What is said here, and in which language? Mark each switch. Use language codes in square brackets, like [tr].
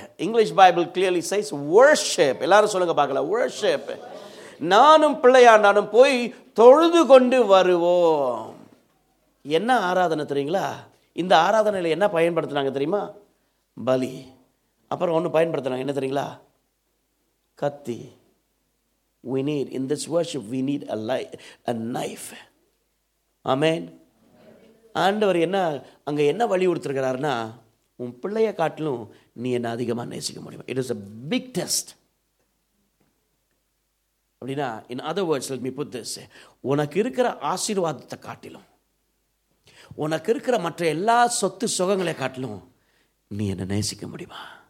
[en] English Bible clearly says worship. [ta] எல்லாரும் சொல்லுங்க பார்க்கல, [en] worship. [ta] நானும் பிள்ளையாண்டாலும் போய் தொழுது கொண்டு வருவோம். என்ன ஆராதனை தெரியுங்களா? இந்த ஆராதனையில் என்ன பயன்படுத்தினாங்க தெரியுமா? பலி. அப்புறம் ஒன்று பயன்படுத்தினாங்க என்ன தெரியுங்களா? கத்தி. [en] We need, in this worship, we need a knife. Amen. [ta] ஆண்டவர் என்ன அங்கே என்ன வலியுறுத்திருக்கிறாருன்னா, உன் பிள்ளைய காட்டிலும் நீ என்னை அதிகமாக நேசிக்க முடியும். [en] It is a big test. [ta] அப்படின்னா, [en] in other words, let me put this, [ta] உனக்கு இருக்கிற ஆசீர்வாதத்தை காட்டிலும், உனக்கு இருக்கிற மற்ற எல்லா சொத்து சுகங்களை காட்டிலும் நீ என்னை நேசிக்க முடியுமா?